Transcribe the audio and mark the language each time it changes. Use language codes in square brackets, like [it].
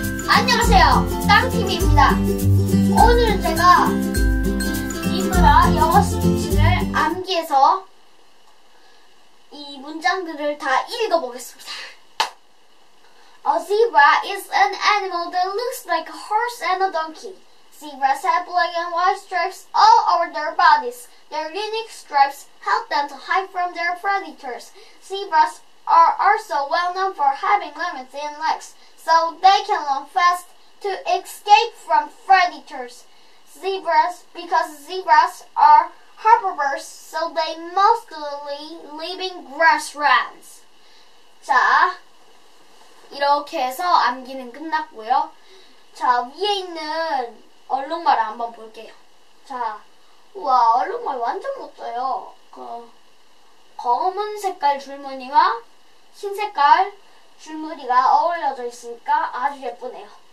[ko] 안녕하세요, 땅팀입니다. 오늘 제가 이브라 영어 스피치를 암기해서 이 문장들을 다 읽어보겠습니다. [en] A zebra is an animal that looks like a horse and a donkey. Zebras have black and white stripes all over their bodies. Their unique stripes help them to hide from their predators. Zebras are also well known for having long thin legs, so they can run fast to escape from predators. Zebras are herbivores, so they mostly live in grasslands. [ko] 자, 이렇게 해서 암기는 끝났고요. 자, 위에 있는 얼룩말을 한번 볼게요. 자, 우와, 얼룩말 완전 멋져요. 그 검은 색깔 줄무늬와 흰색깔 줄무늬가 어울려져 있으니까 아주 예쁘네요.